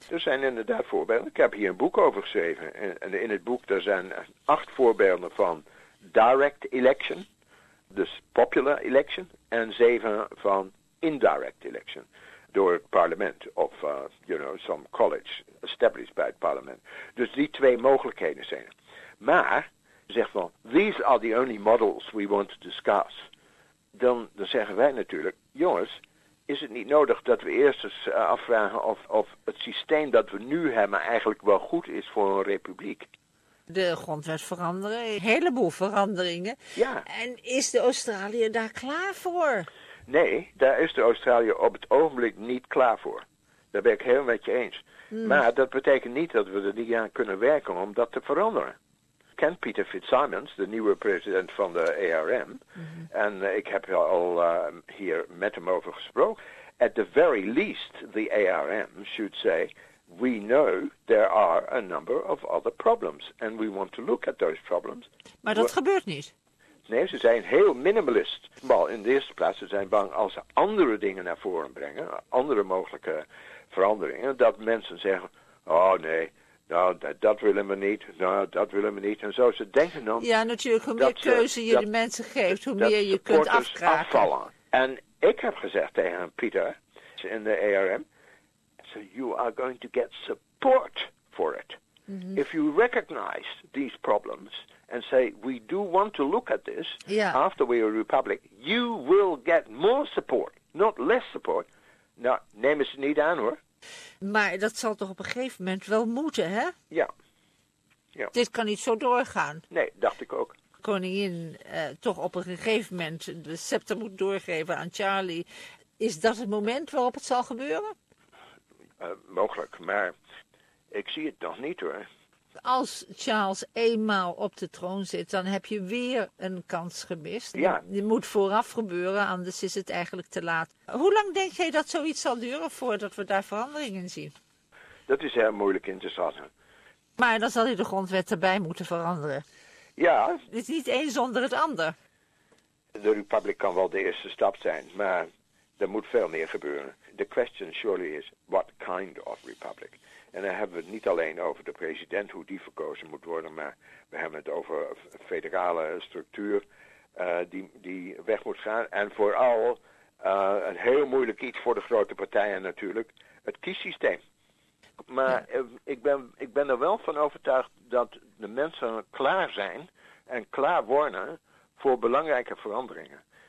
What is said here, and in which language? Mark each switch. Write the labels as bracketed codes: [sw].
[nl] Er zijn inderdaad voorbeelden. Ik heb hier een boek over geschreven. En in het boek er zijn 8 voorbeelden van [en] direct election, [nl] dus [en] popular election, [nl] en 7 van [en] indirect election. [nl] Door het parlement of [en] some college established by [nl] het parlement. Dus die twee mogelijkheden zijn er. Maar zegt van, [en] these are the only models we want to discuss. [nl] Dan zeggen wij natuurlijk, jongens, is het niet nodig dat we eerst eens afvragen of het systeem dat we nu hebben eigenlijk wel goed is voor een republiek? De grondwet veranderen, een heleboel veranderingen. Ja. En is de Australië daar klaar voor? Nee, daar is de Australië op het ogenblik niet klaar voor. Daar ben ik heel met je eens. Maar dat betekent niet dat we er niet aan kunnen werken om dat te veranderen. Ik ken Peter Fitzsimons, de nieuwe president van de ARM. En ik heb al hier met hem over gesproken. [en] At the very least, the ARM should say, we know there are a number of other problems. And we want to look at those problems. [nl] Maar dat gebeurt niet. Nee, ze zijn heel minimalist. Maar in de eerste plaats, ze zijn bang als ze andere dingen naar voren brengen, andere mogelijke veranderingen, dat mensen zeggen, oh nee, nou, dat willen we niet. Nou, dat willen we niet. En zo, ze denken dan. Ja, natuurlijk. Hoe meer keuze je de mensen geeft, hoe meer je kunt afkraken. Afvallen. En ik heb gezegd tegen Pieter in de ARM, [en] so you are going to get support for it. If you recognize these problems and say, we do want to look at this, after we are a republic, you will get more support, not less support. [nl] Nou, neem ze niet aan hoor. Maar dat zal toch op een gegeven moment wel moeten, hè? Ja. Ja. Dit kan niet zo doorgaan. Nee, dacht ik ook. Koningin toch op een gegeven moment de scepter moet doorgeven aan Charlie. Is dat het moment waarop het zal gebeuren? Mogelijk, maar ik zie het nog niet hoor. Als Charles eenmaal op de troon zit, dan heb je weer een kans gemist. Ja. Die moet vooraf gebeuren, anders is het eigenlijk te laat. Hoe lang denk jij dat zoiets zal duren voordat we daar verandering in zien? Dat is heel moeilijk in te schatten. Maar dan zal hij de grondwet erbij moeten veranderen. Ja. Het is niet één zonder het ander. De Republiek kan wel de eerste stap zijn, maar er moet veel meer gebeuren. [en] The question surely is, what kind of republic? [nl] En dan hebben we het niet alleen over de president, hoe die verkozen moet worden, maar we hebben het over een federale structuur die weg moet gaan. En vooral een heel moeilijk iets voor de grote partijen natuurlijk, het kiessysteem. Maar ja. ik ben er wel van overtuigd dat de mensen klaar zijn en klaar worden voor belangrijke veranderingen.